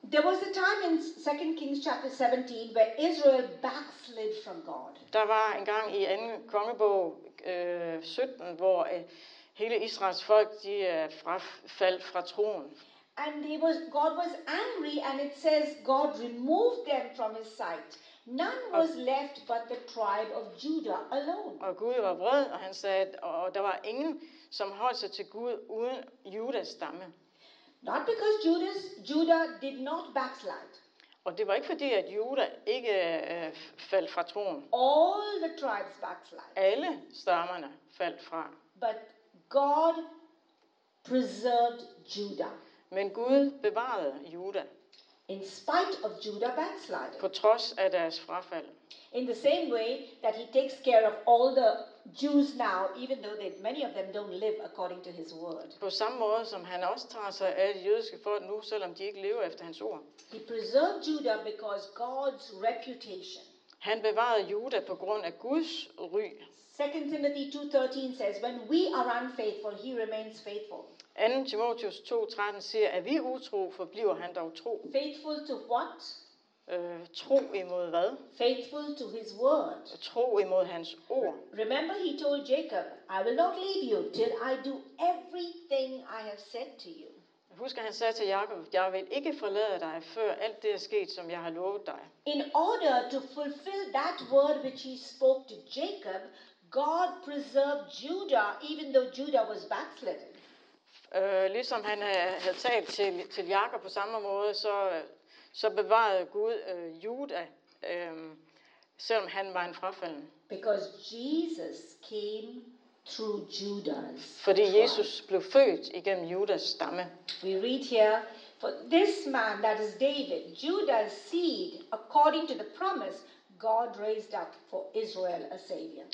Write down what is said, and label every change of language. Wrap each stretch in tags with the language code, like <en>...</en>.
<en>There was a time in 2 Kings chapter 17 where Israel backslid from God.</en> <da>Der var en gang i 2. Kongebog 17, hvor hele Israels folk, de faldt fra troen.</da> <en>And God was angry, and it says God removed them from his sight. None was left but the tribe of Judah alone.</en> <da>Og Gud var vred, og han sagde, og der var ingen, som holdt sig til Gud uden Judas stamme.</da> <en>Not because Judah did not backslide.</en> <da>Og det var ikke fordi, at Juda ikke faldt fra troen.</da> <en>All the tribes backslide.</en> <da>Alle stammerne faldt fra.</da> <en>But God preserved Judah.</en> <da>Men Gud bevarede Juda.</da> <en>In spite of Judah backsliding.</en> <da>På trods af deres frafald.</da> <en>In the same way that he takes care of all the Jews now, even though that many of them don't live according to his word.</en> <da>På samme måde som han også tager sig af det jødiske folk nu, selvom de ikke lever efter hans ord.</da> <en>He preserved Judah because God's reputation.</en> <da>Han bevarede Juda på grund af Guds ry.</da> <en>2 Timothy 2:13 says, when we are unfaithful, he remains faithful.</en> <da>2. Timotheus 2:13 siger, at vi utro, forbliver han dog tro.</da> <en>Faithful to what?</en> <da>Tro imod hvad?</da> <en>Faithful to his word.</en> <da>Tro imod hans ord.</da> <en>Remember he told Jacob, I will not leave you till I do everything I have said to you.</en> <da>Husk, han sagde til Jakob, jeg vil ikke forlade dig før alt det er sket, som jeg har lovet dig.</da> <en>In order to fulfill that word which he spoke to Jacob, God preserved Judah, even though Judah was backslidden.</en> <da>Ligesom han havde talt til Jakob på samme måde, så bevarede Gud Judah, selvom han var en frafalden.</da> <en>Because Jesus came through Judah's.</en> <da>Fordi Jesus blev født igennem Judas stamme.</da> <en>We read here, for this man, that is David, Judah's seed, according to the promise, God raised up for Israel a savior.</en>